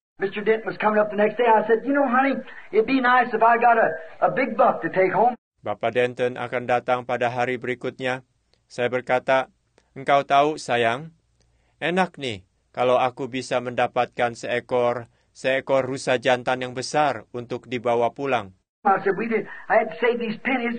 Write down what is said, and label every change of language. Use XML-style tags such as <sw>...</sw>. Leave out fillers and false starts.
<en>Mr. Denton was coming up the next day. I said, you know, honey, it'd be nice if I got a big buck to take home.</en> <id>Bapak Denton akan datang pada hari berikutnya. Saya berkata, engkau tahu, sayang, enak nih kalau aku bisa mendapatkan seekor rusa jantan yang besar untuk dibawa pulang.</id> <en>I said, I had to save these pennies.</en>